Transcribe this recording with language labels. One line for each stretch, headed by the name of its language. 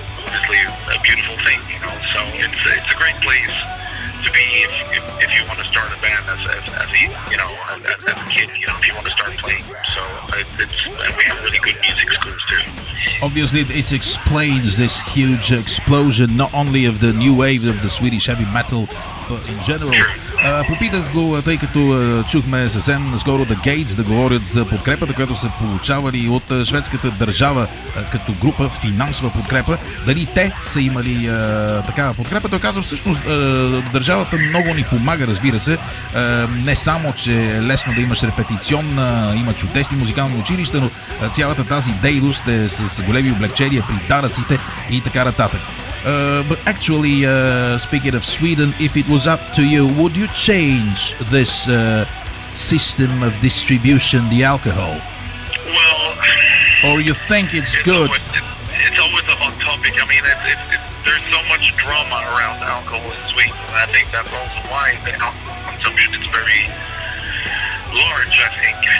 English: A beautiful thing, you know. So it's a great place to be if you want to start a band as a, you know, as a kid, you know, if you want to start playing. So it's, and we have really good music schools too. Obviously, it explains this huge explosion, not only of the new wave of the Swedish heavy metal, but in general.
Bulgarian: Попитах го, тъй като чухме съвсем наскоро The Gates да говорят за подкрепата, която са получавали от шведската държава като група, финансова подкрепа. Дали те са имали такава подкрепа? Той казва, всъщност държавата много ни помага, разбира се. Не само, че е лесно да имаш репетиционна, има чудесни музикални училища, но цялата тази дейност е с големи облегчения при даръците и така нататък.
English: But actually, speaking of Sweden, if it was up to you, would you change this system of distribution, the alcohol? Well, or you think it's good? It's always a hot topic. I mean, there's so much drama around alcohol in Sweden. I think that's also why the alcohol consumption is very large, I think.